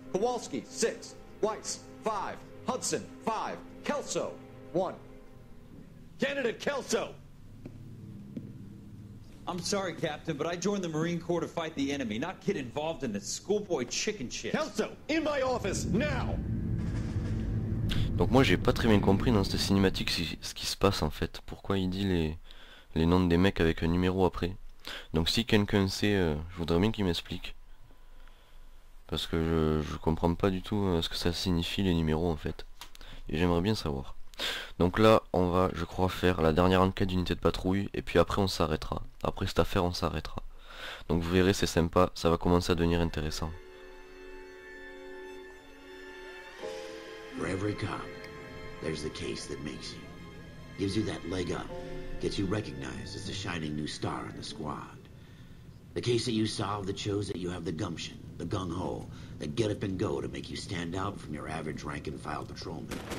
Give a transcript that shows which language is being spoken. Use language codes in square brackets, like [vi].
[en] Kowalski, 6. Weiss, 5. Hudson, 5. Kelso, 1. Candidate Kelso! I'm sorry, Captain, but I joined the Marine Corps to fight the enemy, not get involved in this schoolboy chicken shit. Kelso, in my office, now! [fr] Donc moi, j'ai pas très bien compris dans cette cinématique ce qui se passe, en fait. Pourquoi il dit les noms des mecs avec un numéro après. Donc si quelqu'un sait, je voudrais bien qu'il m'explique. Parce que je comprends pas du tout ce que ça signifie les numéros en fait. Et j'aimerais bien savoir. Donc là, on va, je crois, faire la dernière enquête d'unité de patrouille. Et puis après, on s'arrêtera. Après cette affaire, on s'arrêtera. Donc vous verrez, c'est sympa, ça va commencer à devenir intéressant. [en] Pour every cop, there's the case that makes you. Gives you that leg up. Gets you recognized as the shining new star in the squad. The case that you solve that shows that you have the gumption, the gung-ho, the get-up-and-go to make you stand out from your average rank-and-file patrolman.